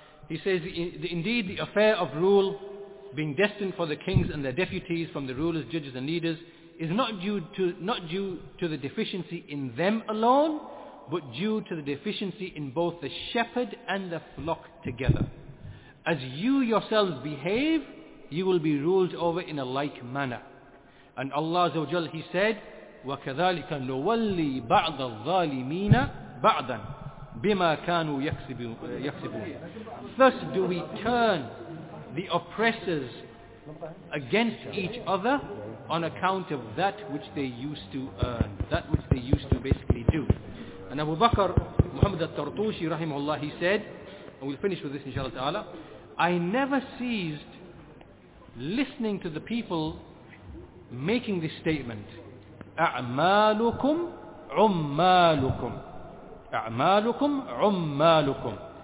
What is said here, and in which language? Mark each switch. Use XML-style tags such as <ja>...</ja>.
<en>He says, indeed the affair of rule being destined for the kings and their deputies from the rulers, judges and leaders is not due to the deficiency in them alone, but due to the deficiency in both the shepherd and the flock together. As you yourselves behave, you will be ruled over in a like manner. And Allah Azza wa Jal, He said,</en> <ar>وَكَذَلِكَ نُوَلِّي بَعْضَ الظَّالِمِينَ بَعْضًا بِمَا كَانُوا يَكْسِبُونَ.</ar> <en>Thus do we turn the oppressors against each other on account of that which they used to earn, that which they used to basically do. And Abu Bakr Muhammad al-Tartushi rahimahullah, he said, and we'll finish with this inshallah ta'ala, I never ceased listening to the people making this statement,</en> <ar>أَعْمَالُكُمْ عُمَّالُكُمْ أَعْمَالُكُمْ عُمَّالُكُمْ.</ar>